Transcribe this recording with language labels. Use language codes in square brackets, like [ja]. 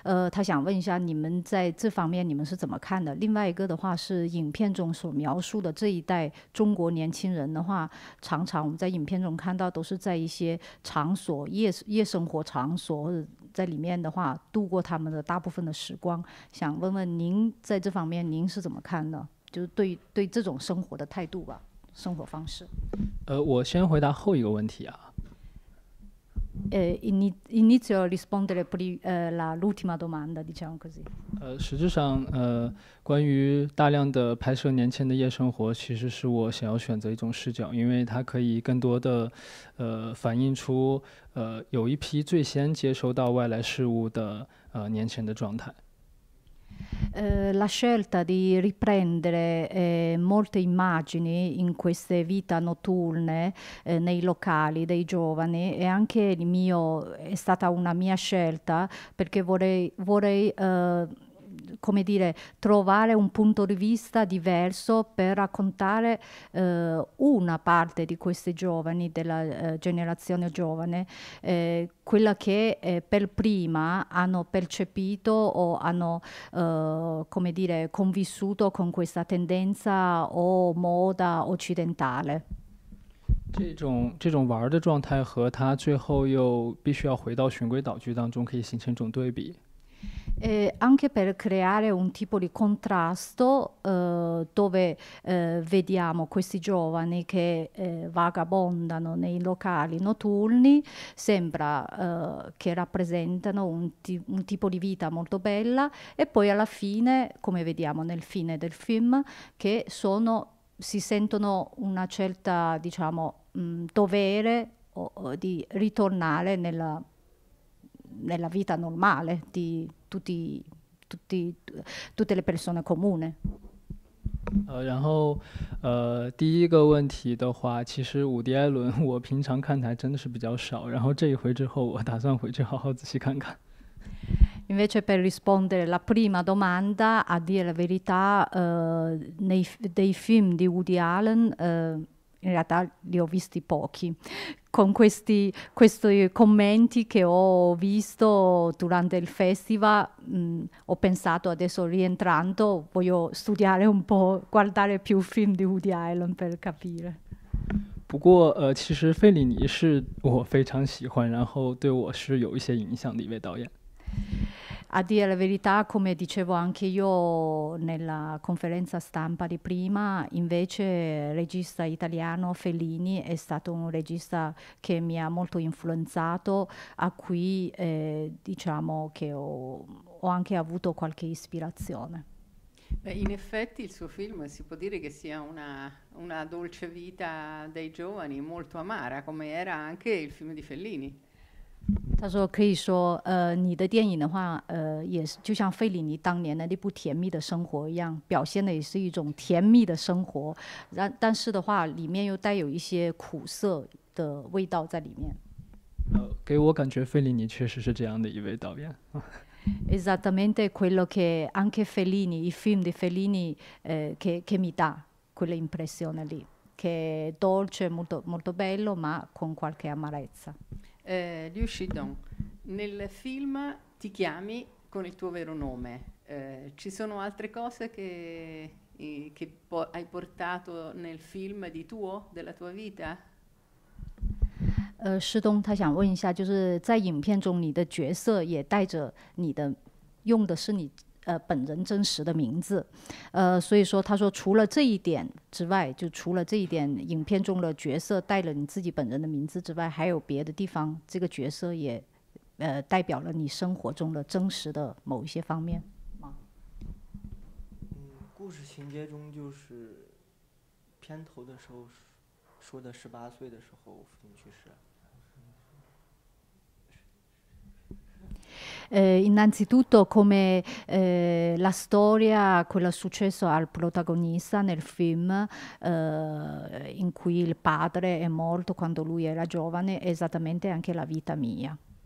[zh] 他想问一下你们在这方面你们是怎么看的？另外一个的话是影片中所描述的这一代中国年轻人的话，常常我们在影片中看到都是在一些场所夜生活场所或者在里面的话。啊，度过他们的大部分的时光，想问问您在这方面您是怎么看的？就是对这种生活的态度吧，生活方式。我先回答后一个问题啊。 [it] Inizio a rispondere l'ultima domanda, diciamo così. [zh] 实际上，关于大量的拍摄年轻的夜生活，其实是我想要选择一种视角，因为它可以更多的，反映出，有一批最先接收到外来事物的，年轻人的状态。 [it] La scelta di riprendere molte immagini in queste vite notturne nei locali dei giovani è anche il mio, è stata una mia scelta perché vorrei come dire, trovare un punto di vista diverso per raccontare una parte di questi giovani, della generazione giovane, quella che per prima hanno percepito o hanno come dire, convissuto con questa tendenza o moda occidentale. [zh] 这种玩的状态和他最后又必须要回到循规蹈矩当中，可以形成一种对比。 [it] Anche per creare un tipo di contrasto dove vediamo questi giovani che vagabondano nei locali notturni, sembra che rappresentano un tipo di vita molto bella e poi alla fine, come vediamo nel fine del film, che si sentono una certa, diciamo, dovere di ritornare nella vita normale di tutte le persone comuni. [zh] 然后，第一个问题的话，其实伍迪·艾伦我平常看的还真的是比较少，然后这一回之后，我打算回去好好仔细看看。 [it] Invece per rispondere alla prima domanda, a dire la verità, dei film di Woody Allen, in realtà li ho visti pochi. Con questi commenti che ho visto durante il festival, ho pensato adesso rientrando, voglio studiare un po', guardare più film di Woody Allen per capire. [zh] 不过，其实费里尼是我非常喜欢，然后对我是有一些影响的一位导演。 [it] A dire la verità, come dicevo anche io nella conferenza stampa di prima, invece il regista italiano Fellini è stato un regista che mi ha molto influenzato, a cui diciamo che ho anche avuto qualche ispirazione. Beh, in effetti il suo film si può dire che sia una dolce vita dei giovani, molto amara, come era anche il film di Fellini. [zh] 他说：“可以说，你的电影的话，也是就像费里尼当年的那部《甜蜜的生活》一样，表现的也是一种甜蜜的生活。但是的话，里面又带有一些苦涩的味道在里面。给我感觉费里尼确实是这样的一位导演。 [it] ”Esattamente quello che anche Fellini, i film di Fellini, che mi dà quella impressione lì, che è dolce, molto, molto bello, ma con qualche amarezza. Liu Shidong, nel film ti chiami con il tuo vero nome. Ci sono altre cose che po hai portato nel film di tuo, della tua vita? [zh] 施东他想问一下，就是在影片中你的角色也带着你的，用的是你本人真实的名字，所以说他说除了这一点之外，就除了这一点，影片中的角色带了你自己本人的名字之外，还有别的地方，这个角色也代表了你生活中的真实的某一些方面。故事情节中就是，片头的时候说的18岁的时候父亲去世。 [it] Innanzitutto, come la storia, quello successo al protagonista nel film, in cui il padre è morto quando lui era giovane, è esattamente anche la vita mia.